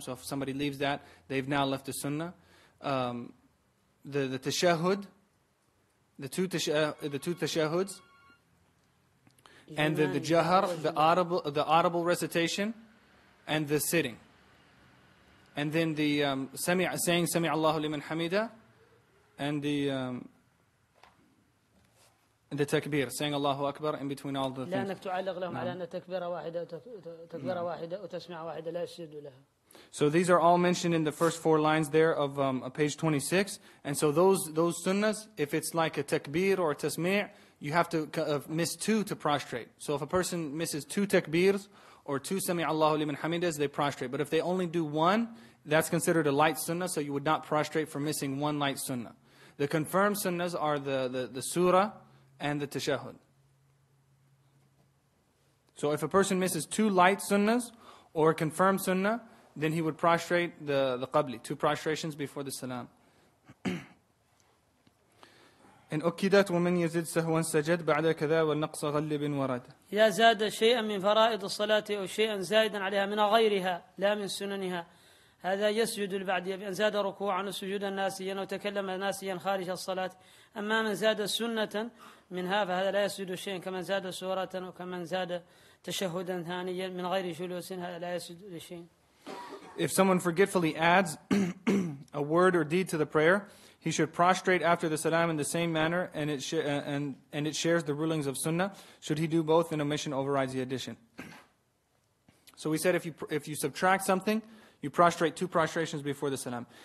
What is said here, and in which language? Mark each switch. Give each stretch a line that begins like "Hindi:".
English: So if somebody leaves that, they've now left the sunnah. The tashahud, the two tashahuds, and the jahar, the audible recitation, and the sitting, and then the saying sami Allahu liman hamida, and the takbir, saying Allahu Akbar in between all the things.
Arabic: لا أنك تعلق لهم على أن تكبيرة واحدة وتكبيرة واحدة وتسمع واحدة لا يسجد لها.
English: So these are all mentioned in the first four lines there of page 26. And so those sunnahs, if it's like a takbir or a tasmi', you have to miss two to prostrate. So if a person misses two takbirs or two sami' Allahu liman hamidahs, they prostrate. But if they only do one, that's considered a light sunnah, so you would not prostrate for missing one light sunnah. The confirmed sunnahs are the surah and the tashahud. So if a person misses two light sunnahs or a confirmed sunnah, then he would prostrate the qabli, two prostrations before the salam.
Arabic: And أُكِّدَتْ وَمَنْ يَزِدْ سَهْوًا سَجَدْ بَعْدَ كَذَا وَالنَّقْصَ غَلِّبٍ وَرَدَ إِذَا زَادَ شَيْئًا مِنْ فَرَائِضِ الصَّلَاةِ أَوْ شَيْئًا زَائِدًا عَلَيْهَا مِنَ غَيْرِهَا لَا مِنْ سُنَنِهَا هذا يسجد البعد بأن زاد ركوعا سجودا ناسيا وتكلم ناسيا خارج الصلاة أما من زاد سنة منها فهذا لا يسجد شيئا كمن زاد سورة وكمن زاد تشهدا ثانيا من غير جلوس هذا لا يسجد شيئا.
English: If someone forgetfully adds a word or deed to the prayer, he should prostrate after the salam in the same manner, and it shares the rulings of sunnah. Should he do both, an omission overrides the addition. So we said if you subtract something, you prostrate two prostrations before the salam.